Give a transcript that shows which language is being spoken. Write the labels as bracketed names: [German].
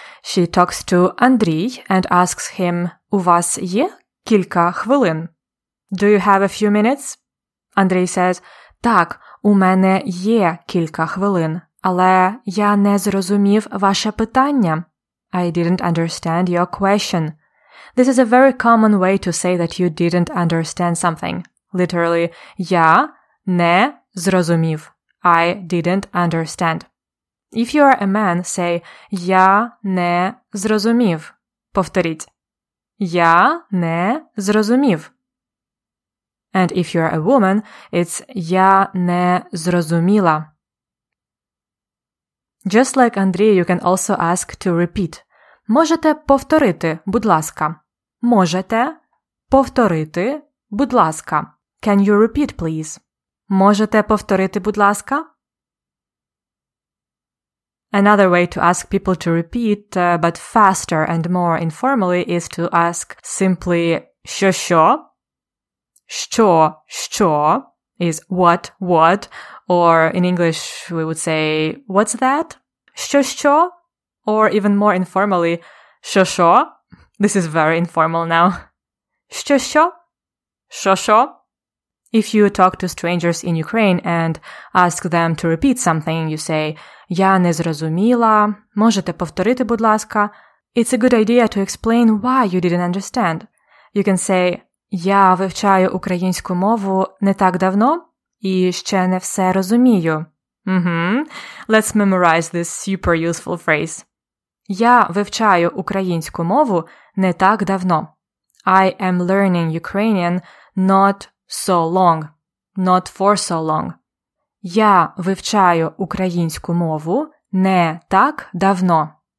[English] She talks to Andrii and asks him, [Ukrainian] «У вас є кілька хвилин?» [English] «Do you have a few minutes?» [Ukrainian] Андрій [English] says, [Ukrainian] «Так, у мене є кілька хвилин, але я не зрозумів ваше питання». [English] «I didn't understand your question». This is a very common way to say that you didn't understand something. Literally, [Ukrainian] я не зрозумів. [English] I didn't understand. If you are a man, say [Ukrainian] я не зрозумів. Повторіть. Я не зрозумів. [English] And if you are a woman, it's [Ukrainian] я не зрозуміла. [English] Just like Андрій, you can also ask to repeat. [Ukrainian] Можете повторити, будь ласка. Можете повторити, будь ласка. [English] Can you repeat, please? [Ukrainian] Можете повторити, будь ласка? [English] Another way to ask people to repeat, but faster and more informally, is to ask simply що-що. Що-що is what-what, or in English we would say what's that? Що-що? Or even more informally, що-що. This is very informal now. Що-що? Що-що? If you talk to strangers in Ukraine and ask them to repeat something, you say [Ukrainian] «Я не зрозуміла», «Можете повторити, будь ласка?» [English] It's a good idea to explain why you didn't understand. You can say [Ukrainian] «Я вивчаю українську мову не так давно і ще не все розумію». [English] Let's memorize this super useful phrase. [Ukrainian] «Я вивчаю українську мову не так давно». [English] I am learning Ukrainian not so long, not for so long. [Ukrainian] Я вивчаю українську мову не так давно.